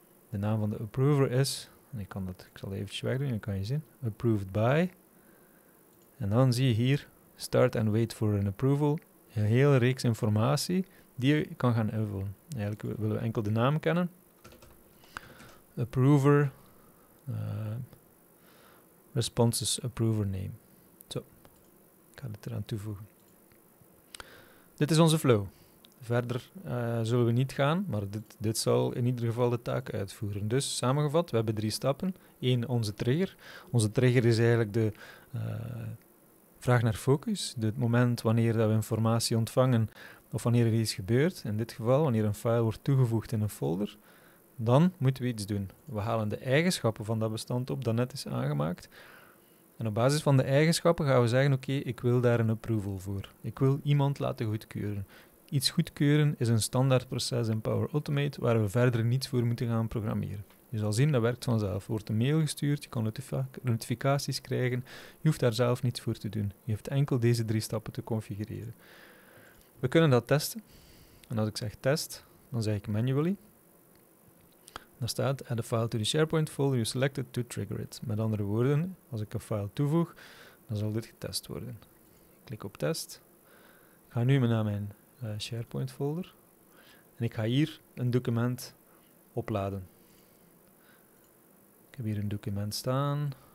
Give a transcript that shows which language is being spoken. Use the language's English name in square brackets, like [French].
[Dutch] De naam van de approver is, en ik zal even wegdoen, dan kan je zien, approved by. En dan zie je hier, start and wait for an approval, een hele reeks informatie die je kan gaan invullen. Eigenlijk willen we enkel de naam kennen. [English] Approver, responses approver name. [Dutch] Zo, ik ga dit eraan toevoegen. Dit is onze flow. Verder zullen we niet gaan, maar dit zal in ieder geval de taak uitvoeren. Dus samengevat, we hebben drie stappen. Eén, onze trigger. Onze trigger is eigenlijk de vraag naar focus. Het moment wanneer dat we informatie ontvangen of wanneer er iets gebeurt. In dit geval, wanneer een file wordt toegevoegd in een folder, dan moeten we iets doen. We halen de eigenschappen van dat bestand op dat net is aangemaakt. En op basis van de eigenschappen gaan we zeggen, oké, ik wil daar een approval voor. Ik wil iemand laten goedkeuren. Iets goedkeuren is een standaardproces in Power Automate waar we verder niets voor moeten gaan programmeren. Je zal zien, dat werkt vanzelf. Er wordt een mail gestuurd, je kan notificaties krijgen. Je hoeft daar zelf niets voor te doen. Je hebt enkel deze drie stappen te configureren. We kunnen dat testen. En als ik zeg test, dan zeg ik manually. Dan staat [English] add a file to the SharePoint folder you selected to trigger it. [Dutch] Met andere woorden, als ik een file toevoeg, dan zal dit getest worden. Ik klik op test. Ik ga nu naar mijn SharePoint folder. En ik ga hier een document opladen. Ik heb hier een document staan.